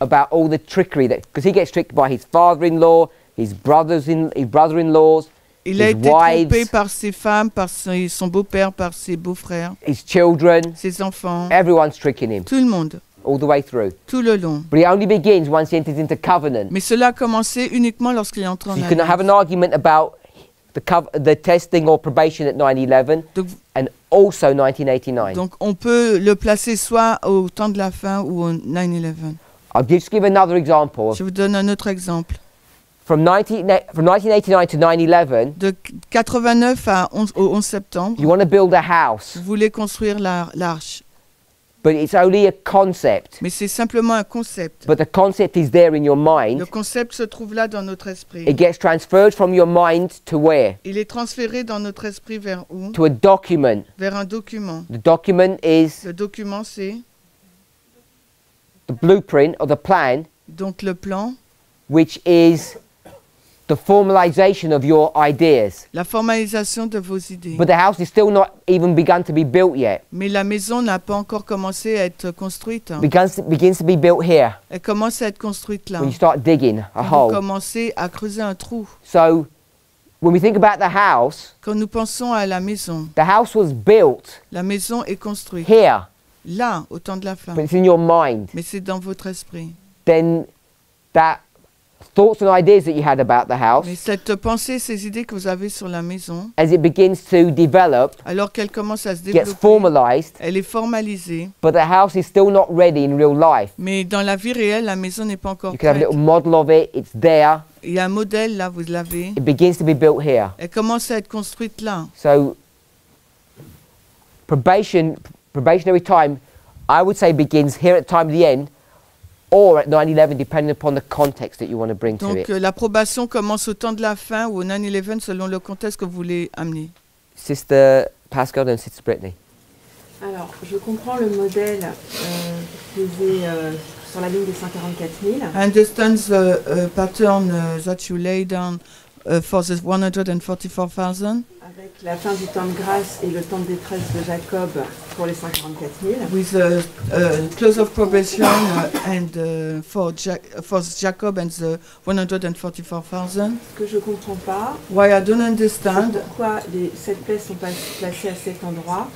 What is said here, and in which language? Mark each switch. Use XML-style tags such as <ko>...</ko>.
<en>About all the trickery that, because he gets tricked by his father-in-law, his brother-in-laws.</en> <fr>Il a été trompé par ses femmes, par son beau-père, par ses beaux-frères.</fr> <en>His children.</en> <fr>Ses enfants.</fr> <en>Everyone's tricking him.</en> <fr>Tout le monde.</fr> <en>All the way through.</en> <fr>Tout le long.</fr> <en>But he only begins once he enters into covenant.</en> <fr>Mais cela a commencé uniquement lorsqu'il est entré en alliance.</fr> <en>You can have an argument about the testing or probation at 9/11 and also 1989.</en> <fr>Donc on peut le placer soit au temps de la fin ou au 9/11.</fr> <en>I'll just give another example.</en> <fr>Je vous donne un autre exemple.</fr> <en>From 1989 to 9/11.</en> <fr>De 89 au 11 septembre.</fr> <en>You want to build a house.</en> <fr>Vous voulez construire l'arche.</fr> <en>But it's only a concept.</en> <fr>Mais c'est simplement un concept.</fr> <en>But the concept is there in your mind.</en> <fr>Le concept se trouve là dans notre esprit.</fr> <en>It gets transferred from your mind to where?</en> <fr>Il est transféré dans notre esprit vers où?</fr> <en>To a document.</en> <fr>Vers un document.</fr> <en>The document is.</en> <fr>Le document c'est.</fr> <en>The blueprint or the plan.</en> <fr>Donc le plan.</fr> <en>Which is. The formalization of your ideas.</en> <fr>La formalisation de vos idées.</fr> <en>But the house is still not even begun to be built yet.</en> <fr>Mais la maison n'a pas encore commencé à être construite.</fr> <en>Begins to be built here.</en> <fr>Elle commence à être construite là.</fr> <en>When you start digging a hole.</en> <fr>Vous commencez à creuser un trou.</fr> <en>So, when we think about the house.</en> <fr>Quand nous pensons à la maison.</fr> <en>The house was built.</en> <fr>La maison est construite.</fr> <en>Here.</en> <fr>Là, au temps de la fin.</fr> <en>But it's in your mind.</en> <fr>Mais c'est dans votre esprit.</fr> <en>Then, that. Thoughts and ideas that you had about the house.</en> <fr>Mais cette pensée, ces idées que vous avez sur la maison.</fr> <en>As it begins to develop.</en> <fr>Alors qu'elle commence à se développer.</fr> <en>Gets formalized.</en> <fr>Elle est formalisée.</fr> <en>But the house is still not ready in real life.</en> <fr>Mais dans la vie réelle, la maison n'est pas encore prête.</fr> <en>You can have a little model of it. It's there.</en> <fr>Il y a un modèle là, vous l'avez.</fr> <en>It begins to be built here.</en> <fr>Elle commence à être construite là.</fr> <en>So, probationary time, I would say begins here at the time of the end. Or at 9/11, depending upon the context that you want to bring</en> <fr>donc,</fr> <en>to it.</en> <fr>Donc l'approbation commence au temps de la fin ou au 9/11 selon le contexte que vous voulez amener.</fr> <en>Sister Pascal and Sister Brittany.</en> <fr>Alors, je comprends le modèle qui est sur la ligne des 144,000.</fr> <en>I understand the pattern that you lay down for the 144,000.</en> <fr>Avec la fin du temps de grâce et le temps de détresse de Jacob pour les 144,000.</fr> <en>With the close of probation for Jacob and the 144,000.</en> <fr>Ce que je ne comprends pas.</fr> <en>Why I don't understand.</en> <fr>Pourquoi les sept plaies sont pas placées à cet endroit.</fr>